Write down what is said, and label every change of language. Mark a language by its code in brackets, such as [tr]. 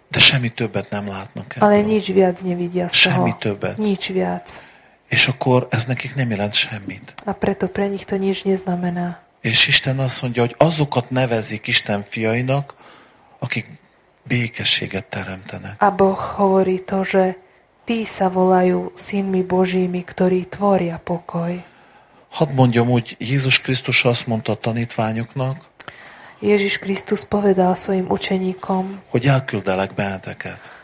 [hu] De semmi többet nem látnak ebből. [sk] Ale nič viac nevidia z toho. [hu] Semmi többet. [sk] Nič viac. [hu] És akkor ez nekik nem jelent semmit. [sk] A preto pre nich to nič neznamená. [hu] És Isten azt mondja, hogy azokat nevezik Isten fiainak, akik békességet teremtenek. [sk] A Boh hovorí to, že tí sa volajú synmi Božími, ktorí tvoria pokoj. [hu] Hadd mondjam úgy, Jézus Krisztus azt mondta a tanítványoknak, [sk] Ježiš Kristus povedal svojim učeníkom, [hu] hogy elküldelek benneteket,